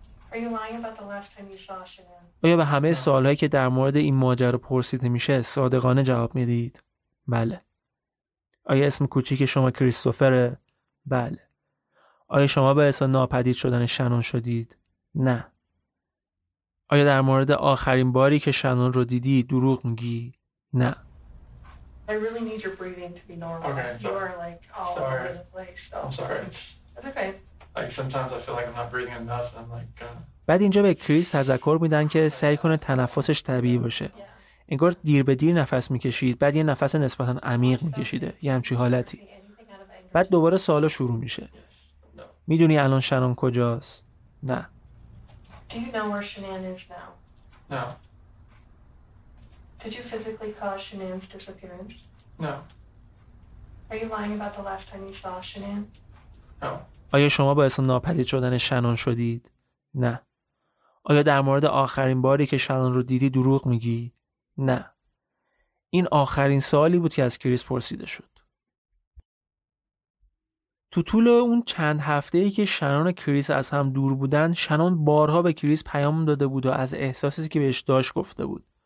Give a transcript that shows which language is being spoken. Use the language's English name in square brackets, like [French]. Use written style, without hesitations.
[English] Are you lying about the last time you saw Shanann? [Persian] آیا به همه سوالهایی که در مورد این ماجرا پرسیده میشه صادقانه جواب میدید؟ بله. آیا اسم کوچیک شما کریستوفره؟ بله. آیا شما به اسم ناپدید شدن شنون شدید؟ نه. آیا در مورد آخرین باری که شنون رو دیدی دروغ میگی؟ نه. [English] I really need your breathing to be normal. Okay, you are like all sorry. Over the place. So. I'm sorry. It's okay. Like sometimes I feel like I'm not breathing enough. I'm like. [Persian] بعد اینجا به کریس تذکر میدن که سعی کنه تنفسش طبیعی باشه. انگار دیر به دیر نفس میکشید، بعد یه نفس نسبتا عمیق میکشیده، یه همچی حالتی. بعد دوباره سوالا شروع میشه. میدونی الان شنان کجاست؟ نه. [English] Do you know where Shanann is now? No. Did you physically cause Shanann's disappearance? No. Are you lying about the last time you saw Shanann? No. [Persian] آیا شما باعث ناپدید شدن شنان شدید؟ نه. آیا در مورد آخرین باری که شنان رو دیدی دروغ میگی؟ نه. این آخرین سوالی بود که از کریس پرسیده شد. تو طول اون چند هفته‌ای که شنان و کریس از هم دور بودن، شنان بارها به کریس پیام داده بود و از احساسی که بهش داشت گفته بود.